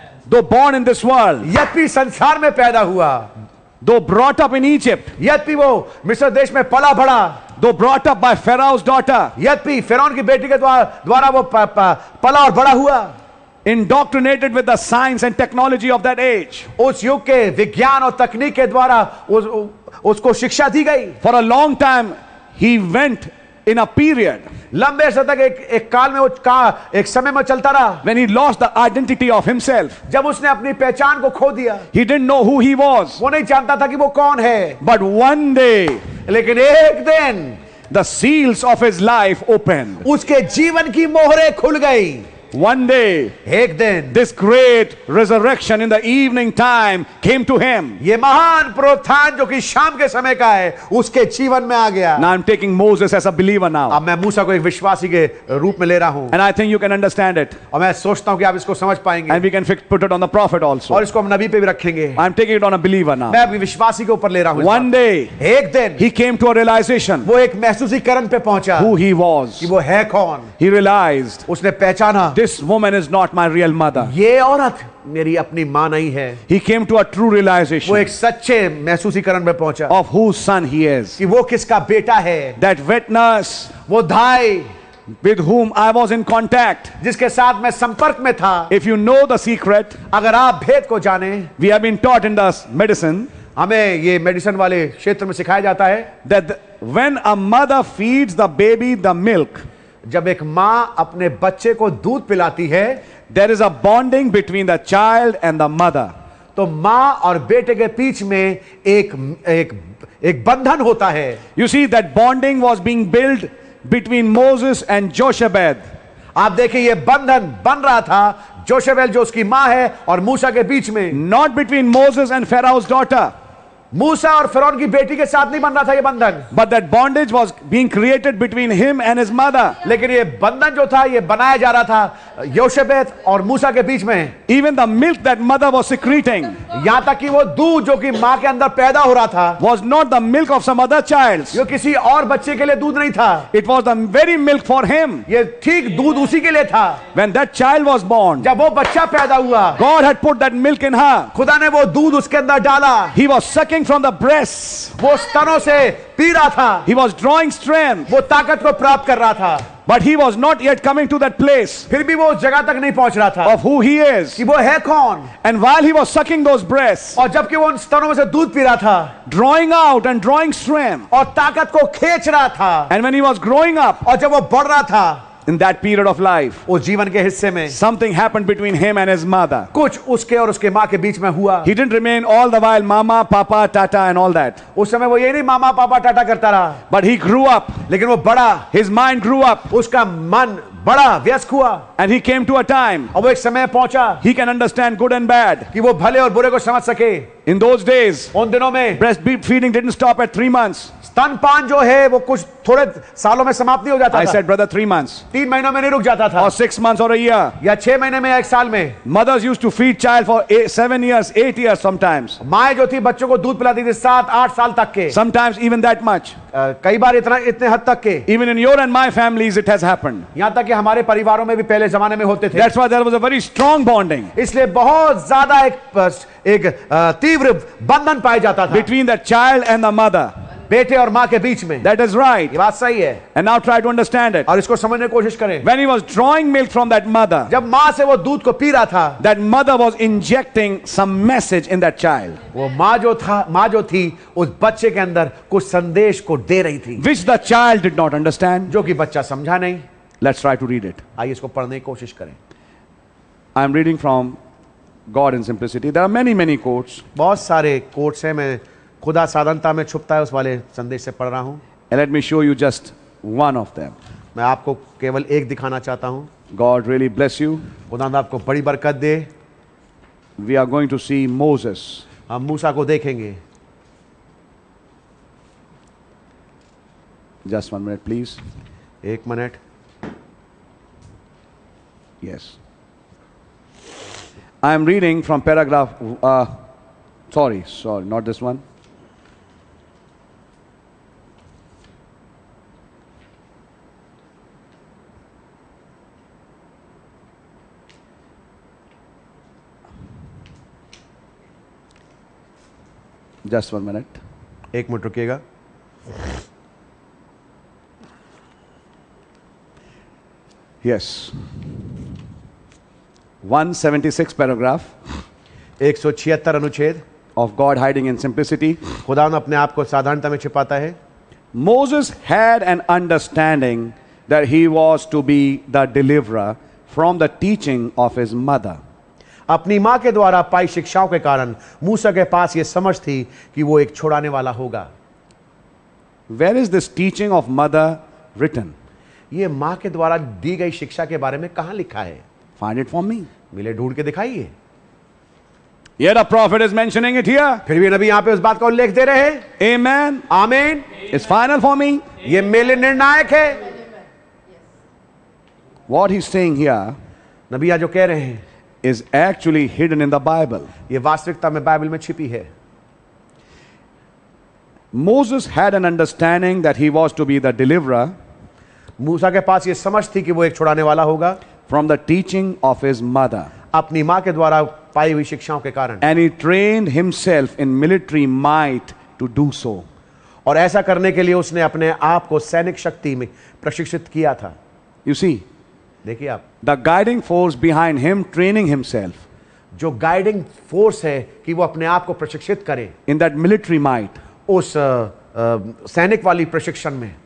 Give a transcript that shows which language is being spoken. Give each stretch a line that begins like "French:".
English: Though born in this world,
Hindi: यह भी संसार में पैदा हुआ.
English: Though brought up in Egypt,
Hindi: यह भी वो मिस्र देश में पला बढ़ा.
English: Though brought up by Pharaoh's daughter,
Hindi: यह भी फिरौन की बेटी के द्वारा वो पला और बड़ा हुआ.
English: Indoctrinated with the science and technology of that age,
Hindi: उस युग के विज्ञान और तकनीक के द्वारा उसको शिक्षा दी गई.
English: For a long time, he went in a period.
Hindi: लंबे समय तक एक काल में एक समय में चलता रहा.
English: When he lost the identity of himself,
Hindi: जब उसने अपनी पहचान को खो दिया.
English: He didn't know who he was.
Hindi: वो नहीं जानता था कि वो कौन है.
English: But one day,
Hindi: लेकिन एक दिन,
English: the seals of his life opened.
Hindi: उसके जीवन की मोहरें खुल गई.
English: One day,
Hindi: एक दिन,
English: this great resurrection in the evening time came to him.
Hindi: ये महान प्रोत्थान जो कि शाम के समय का है, उसके जीवन में आ गया.
English: Now I'm taking Moses as a believer now.
Hindi: अब मैं मूसा को एक विश्वासी के रूप में ले रहा हूँ.
English: And I think you can understand it.
Hindi: और मैं सोचता हूँ कि आप इसको समझ पाएंगे.
English: And we can put it on the prophet also.
Hindi: और इसको हम नबी पे भी रखेंगे.
English: I'm taking it on a believer now.
Hindi: मैं अभी विश्वासी के ऊपर ले रहा हूँ.
English: One day,
Hindi: एक दिन,
English: he came to a realization.
Hindi: वो एक महसूसीकरण पे पहुंचा.
English: Who he was.
Hindi: कि वो है कौन.
English: He realized.
Hindi: उसने पहचाना.
English: This woman is not my real mother.
Hindi: ये औरत मेरी अपनी माँ नहीं है.
English: He came to a true realization.
Hindi: वो एक सच्चे महसूसीकरण में पहुंचा.
English: Of whose son he is.
Hindi: कि वो किसका बेटा है.
English: That witness.
Hindi: वो धाई.
English: With whom I was in contact.
Hindi: जिसके साथ मैं संपर्क में था.
English: If you know the secret.
Hindi: अगर आप भेद को जाने.
English: We have been taught in the medicine.
Hindi: हमें ये मेडिसिन वाले क्षेत्र में सिखाया जाता है.
English: That when a mother feeds the baby the milk.
Hindi: जब एक माँ अपने बच्चे को दूध पिलाती है,
English: there is a bonding between the child and the mother.
Hindi: तो माँ और बेटे के बीच में एक एक एक बंधन होता है.
English: You see that bonding was being built between Moses and Joshebed.
Hindi: आप देखिए ये बंधन बन रहा था जोशेबेद जो उसकी माँ है और मूसा के बीच में.
English: Not between Moses and Pharaoh's daughter.
Hindi: मूसा और फिरौन की बेटी के साथ नहीं बन रहा था ये बंधन.
English: But that bondage was being created between him and his mother.
Hindi: लेकिन ये बंधन जो था ये बनाया जा रहा था योशेबेद और मूसा के बीच में.
English: Even the milk that mother was secreting.
Hindi: यहाँ तक कि वो दूध जो कि माँ के अंदर पैदा हो रहा था.
English: Was not the milk of some other child.
Hindi: ये किसी और बच्चे के लिए दूध नहीं था.
English: It was the very milk for him.
Hindi: ये ठीक दूध उसी के लिए था.
English: When that child was born.
Hindi: जब वो बच्चा पैदा हुआ.
English: God had put that milk in her.
Hindi: खुदा ने वो दूध उसके अंदर डाला.
English: He was sucking from the breast.
Hindi: वो स्तनों से पी रहा था.
English: He was drawing strength.
Hindi: वो ताकत को प्राप्त कर रहा था.
English: But he was not yet coming to that place.
Hindi: फिर भी वो उस जगह तक नहीं पहुंच रहा था.
English: Of who he is.
Hindi: कि वो है कौन.
English: And while he was sucking those breasts.
Hindi: और जबकि वो उन स्तनों में से दूध पी रहा था.
English: Drawing out and drawing strength.
Hindi: और ताकत को खींच रहा था.
English: And when he was growing up.
Hindi: और जब वो बढ़ रहा था.
English: In that period of life,
Hindi: उस जीवन के हिस्से में,
English: something happened between him and his mother.
Hindi: कुछ उसके और उसके माँ के बीच में हुआ.
English: He didn't remain all the while mama, papa, tata and all that.
Hindi: उस समय वो ये नहीं मामा पापा टाटा करता रहा.
English: But he grew up.
Hindi: लेकिन वो बड़ा.
English: His mind grew up.
Hindi: उसका मन बड़ा व्यस्क हुआ.
English: And he came to a time.
Hindi: अब वो एक समय पहुंचा.
English: He can understand good and bad.
Hindi: कि वो भले और बुरे को समझ सके.
English: In those days.
Hindi: उन दिनों में.
English: Breastfeeding didn't stop at 3 months.
Hindi: स्तनपान जो है वो कुछ थोड़े सालों में समाप्त नहीं हो जाता.
English: I said, brother, 3 months.
Hindi: 3 महीनों में नहीं रुक जाता था.
English: Or 6 months or a year.
Hindi: या 6 महीने में या 1 साल में.
English: Mothers used to feed child for 7 years, 8 years sometimes.
Hindi: माएं जो थी बच्चों को दूध पिलाती थी 7-8 साल तक के.
English: Sometimes even that much.
Hindi: कई बार इतना इतने हद तक के.
English: Even in your and my families it has happened.
Hindi: यहाँ तक कि हमारे परिवारों में भी पहले जमाने में होते थे.
English: That's why there was a very strong bonding.
Hindi: इसलिए बहुत ज्यादा एक तीव्र बंधन पाया जाता था.
English: Between the child and the mother.
Hindi: बेटे और माँ के बीच में.
English: That is right.
Hindi: ये बात सही है.
English: And now try to understand it.
Hindi: और इसको समझने की कोशिश करें.
English: When he was drawing milk from that mother.
Hindi: जब माँ से वो दूध को पी रहा था.
English: That mother was injecting some message in that child.
Hindi: वो माँ जो थी उस बच्चे के अंदर कुछ संदेश को दे रही थी.
English: Which the child did not understand.
Hindi: जो कि बच्चा समझा नहीं.
English: Let's try to read it.
Hindi: आइए इसको पढ़ने की कोशिश करें.
English: I am reading from God in Simplicity. There are many many quotes.
Hindi: बहुत सारे quotes हैं. मैं खुदा साधनता में छुपता है उस वाले संदेश से पढ़ रहा हूं.
English: And let me show you just one of them.
Hindi: मैं आपको केवल एक दिखाना चाहता हूं.
English: God really bless you.
Hindi: खुदा आपको बड़ी बरकत दे.
English: We are going to see Moses.
Hindi: हम मूसा को देखेंगे.
English: Just 1 minute, please.
Hindi: एक minute.
English: Yes. I am reading from paragraph. Sorry, not this one. Just 1 minute.
Hindi: एक मिनट रुकिएगा.
English: Yes. 176 paragraph.
Hindi: 176 अनुच्छेद.
English: Of God hiding in simplicity.
Hindi: खुदा अपने आप को साधारणता में छिपाता है.
English: Moses had an understanding that he was to be the deliverer from the teaching of his mother.
Hindi: अपनी मां के द्वारा पाई शिक्षाओं के कारण मूसा के पास यह समझ थी कि वो एक छुड़ाने वाला होगा.
English: Where is this teaching of mother written.
Hindi: ये मां के द्वारा दी गई शिक्षा के बारे में कहां लिखा है.
English: Find it for me.
Hindi: मिले ढूंढ के दिखाइए.
English: Yet a prophet is mentioning it here.
Hindi: फिर भी नबी यहां पे उस बात का उल्लेख दे रहे हैं.
English: Amen. Amen. It's final for me.
Hindi: ये मेरे निर्णायक है.
English: What he's saying here.
Hindi: नबी यहां जो कह रहे हैं.
English: Is actually hidden in the Bible.
Hindi: ये वास्तविकता में बाइबल में छिपी है.
English: Moses had an understanding that he was to be the deliverer.
Hindi: मूसा के पास ये समझ थी कि वो एक छुड़ाने वाला होगा.
English: From the teaching of his mother.
Hindi: अपनी माँ के द्वारा पाई हुई शिक्षाओं के कारण.
English: And he trained himself in military might to do so.
Hindi: और ऐसा करने के लिए उसने अपने आप को सैनिक शक्ति में प्रशिक्षित किया था.
English: You see.
Hindi: देखिए आप.
English: The guiding force behind him training himself.
Hindi: जो गाइडिंग फोर्स है कि वो अपने आप को प्रशिक्षित करे.
English: In that military might.
Hindi: उस सैनिक वाली प्रशिक्षण में.